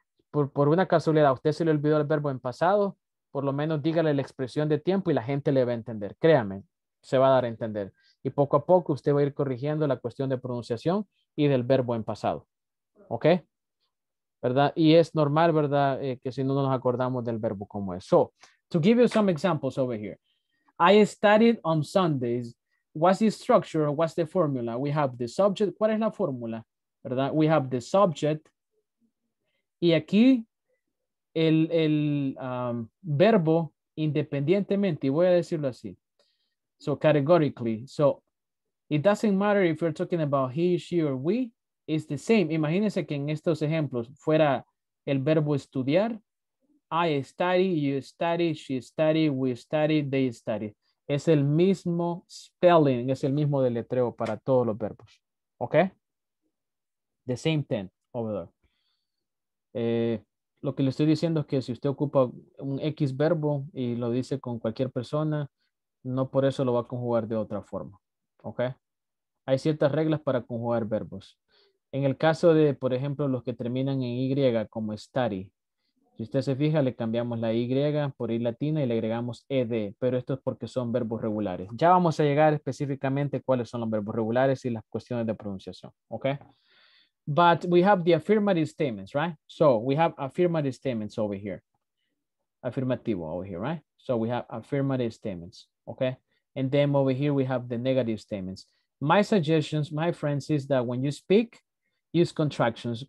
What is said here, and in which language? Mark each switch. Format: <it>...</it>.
<es>Por una casualidad, usted se le olvidó el verbo en pasado, por lo menos dígale la expresión de tiempo y la gente le va a entender. Créame, se va a dar a entender. Y poco a poco usted va a ir corrigiendo la cuestión de pronunciación y del verbo en pasado, ¿ok? ¿Verdad? Y es normal, ¿verdad? Que si no nos acordamos del verbo como es.</es> <en>So, to give you some examples over here. I studied on Sundays. What's the structure? What's the formula? We have the subject.</en> <es>¿Cuál es la fórmula? ¿Verdad?</es> <en>We have the subject.</en> <es>Y aquí el verbo independientemente, y voy a decirlo así.</es> <en>So, categorically. So, it doesn't matter if you're talking about he, she, or we. It's the same.</en> <es>Imagínense que en estos ejemplos fuera el verbo estudiar.</es> <en>I study, you study, she study, we study, they study.</en> <es>Es el mismo spelling, es el mismo deletreo para todos los verbos. Okay?</es> <en>The same thing over there.</en> <es>Lo que le estoy diciendo es que si usted ocupa un X verbo y lo dice con cualquier persona, no por eso lo va a conjugar de otra forma. Ok, hay ciertas reglas para conjugar verbos. En el caso de, por ejemplo, los que terminan en Y como study, si usted se fija, le cambiamos la Y por I latina y le agregamos ED, pero esto es porque son verbos regulares. Ya vamos a llegar específicamente cuáles son los verbos regulares y las cuestiones de pronunciación.</es> <en>Ok, but we have the affirmative statements, right? So we have affirmative statements over here. Afirmativo over here, right? So we have affirmative statements. Ok. And then over here, we have the negative statements. My suggestions, my friends, is that when you speak, use contractions.</en>